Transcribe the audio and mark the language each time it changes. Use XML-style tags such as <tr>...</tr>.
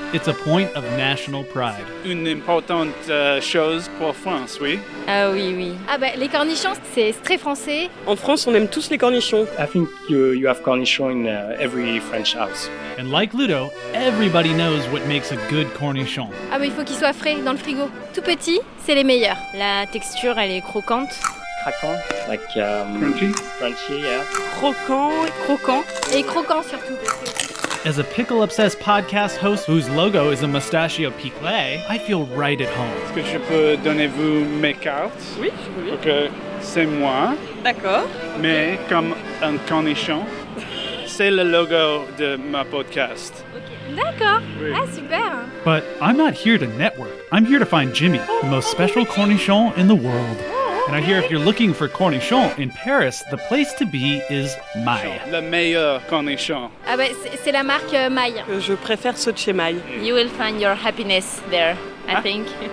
<en>It's a point of national pride.</en> <fr>Une importante chose pour France, oui? Ah oui, oui. Ah ben, les cornichons, c'est très français. En France, on aime tous les cornichons.</fr> <en>I think you have cornichons in every French house. And like Ludo, everybody knows what makes a good cornichon.</en> <fr>Ah ben, il faut qu'il soit frais dans le frigo. Tout petit, c'est les meilleurs. La texture, elle est croquante. Croquant, like</fr> <en>crunchy, yeah.</en> <fr>Croquant, et croquant surtout.</fr> <en>As a pickle-obsessed podcast host whose logo is a mustachio piquelet, I feel right at home.</en> <fr>Est-ce que je peux donner vous mes cartes? Oui, je peux bien. Ok, c'est moi. D'accord. Mais okay. Comme un cornichon, c'est le logo de ma podcast. D'accord. Oui. Ah, super.</fr> <en>But I'm not here to network. I'm here to find Jimmy, the most special cornichon in the world. And I hear if you're looking for cornichon in Paris, the place to be is Maille.</en> <fr>Le meilleur cornichon. Ah ben, c'est la marque Maille. Je préfère ceux de chez Maille.</fr> <en>You will find your happiness there, I think.</en>